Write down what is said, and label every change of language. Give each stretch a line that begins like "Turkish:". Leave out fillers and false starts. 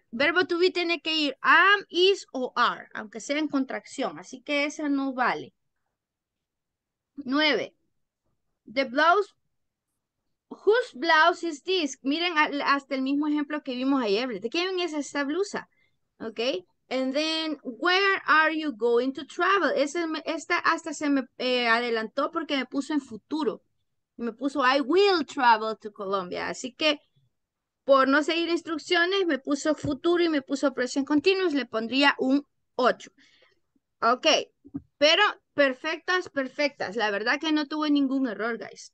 Spanish: Verbo to be tiene que ir am, is o are, aunque sea en contracción. Así que esa no vale. 9.
English: The blouse. Whose blouse is this?
Spanish: Miren hasta el mismo ejemplo que vimos ayer. ¿De quién es esta blusa? ¿Ok?
English: And then, where are you going to travel?
Spanish: Esta hasta se me adelantó porque me puso en futuro. Me puso,
English: I will travel to Colombia.
Spanish: Así que, por no seguir instrucciones, me puso futuro y me puso present continuous, le pondría un 8. Ok, pero perfectas, perfectas. La verdad que no tuve ningún error, guys.